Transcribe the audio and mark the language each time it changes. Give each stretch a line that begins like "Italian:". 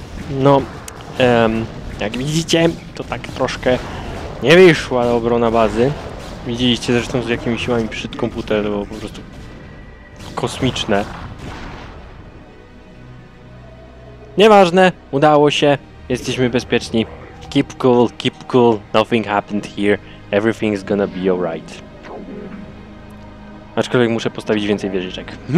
Polish: No, jak widzicie, to tak troszkę nie wyszła obrona bazy. Widzieliście zresztą z jakimi siłami przyszedł komputer, bo po prostu kosmiczne. Nieważne, udało się, jesteśmy bezpieczni.
English: Keep cool, nothing happened here, everything's gonna be alright.
Polish: Aczkolwiek muszę postawić więcej wieżyczek.